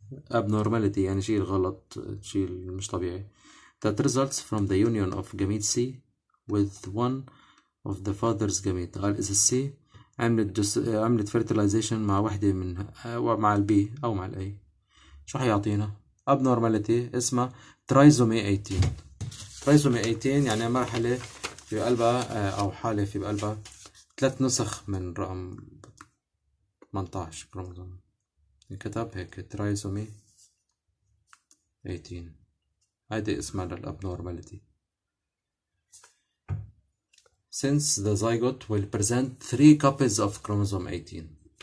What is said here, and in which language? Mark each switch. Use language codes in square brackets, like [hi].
[ar] ابنورماليتي يعني شيء غلط، شيء مش طبيعي. [en] That results from the union of gamete C with one of the father's gamete. [ar] قال إذا C عملت fertilization مع واحدة من مع ال B أو مع ال A، شو حيعطينا؟ abnormality اسمها trisomy 18. trisomy 18 يعني مرحلة في قلبها أو حالة في قلبها ثلاث نسخ من رقم 18 كروموزوم. الكتاب هيك trisomy 18، هذه اسمها للابنورماليتي. [en] Since the zygote will present three copies of chromosome 18.